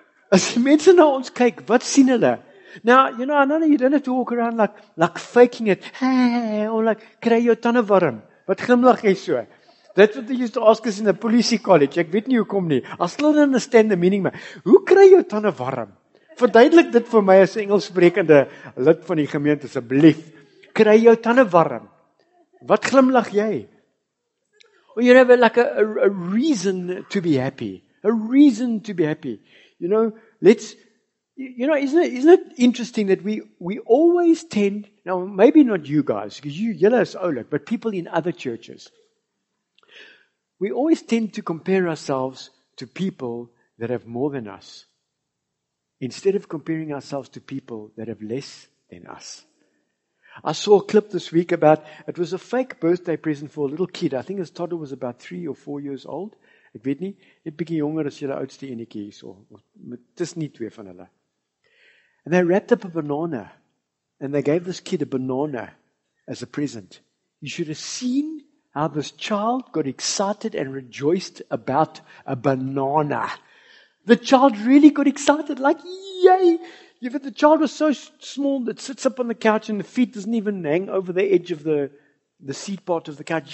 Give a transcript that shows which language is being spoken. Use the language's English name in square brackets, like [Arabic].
[Afrikaans] As mense na ons kyk, wat sien hulle? [English] Now, you know, I know you don't have to walk around like faking it. [Afrikaans] Hey, or like, kry jou tanden warm. Wat glimlag jy so? [English] That's what they used to ask us in the police college. [Afrikaans] Ek weet nie hoe kom nie. [English] I still don't understand the meaning, man. [Afrikaans] Hoe kry jou tanden warm? Verduidelik dit vir my as Engels sprekende lid van die gemeente, asseblief. Kry jou tanden warm. Wat glimlag jy? [English] Well, you have a reason to be happy. A reason to be happy. You know, isn't it interesting that we always tend, now maybe not you guys, because you're so old, but people in other churches. We always tend to compare ourselves to people that have more than us, instead of comparing ourselves to people that have less than us. I saw a clip this week about, it was a fake birthday present for a little kid. I think his toddler was about 3 or 4 years old. [Afrikaans] Ek weet nie, net bietjie jonger as julle oudste enetjie hier so. Dit is nie twee van hulle. [English] And they wrapped up a banana. And they gave this kid a banana as a present. You should have seen how this child got excited and rejoiced about a banana. The child really got excited, like, yay! You know, the child was so small that sits up on the couch and the feet doesn't even hang over the edge of the seat part of the couch.